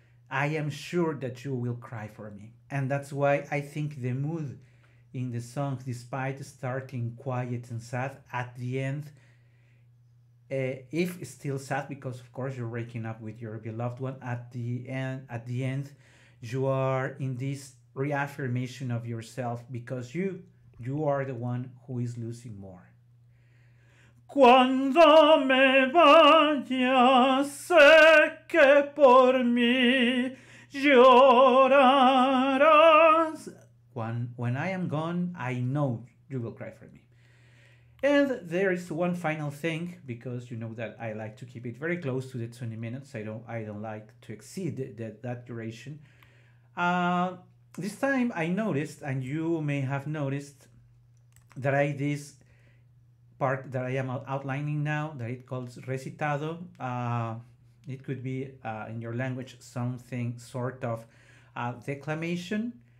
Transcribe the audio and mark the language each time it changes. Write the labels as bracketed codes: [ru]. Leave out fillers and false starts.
[en] I am sure that you will cry for me. And that's why I think the mood in the song, despite starting quiet and sad, at the end, if still sad, because of course you're waking up with your beloved one, at the end, you are in this reaffirmation of yourself, because you are the one who is losing more. [es] Cuando me vaya, sé que por mí llorarás. [en] When I am gone, I know you will cry for me. And there is one final thing, because you know that I like to keep it very close to the 20 minutes. I don't like to exceed that duration. This time I noticed, and you may have noticed, that this part that I am outlining now, that it calls recitado, it could be in your language something sort of declamation.